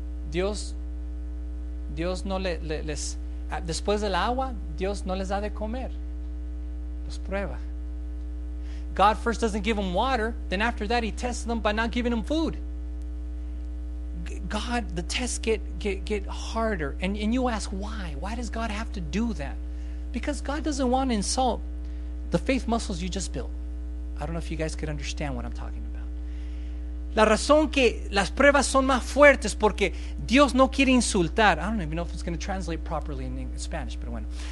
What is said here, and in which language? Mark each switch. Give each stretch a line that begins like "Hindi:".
Spanish: Dios no les después del agua, Dios no les da de comer. Los prueba.
English: God first doesn't give them water, then after that he tests them by not giving them food. God, the tests get harder, and you ask why? Why does God have to do that? Because God doesn't want to insult the faith muscles you just built. I don't know if you guys could understand what I'm talking about.
Spanish: La razón que las pruebas son más fuertes porque Dios no quiere insultar.
English: I don't even know if it's going to translate properly in Spanish,
Spanish: pero bueno.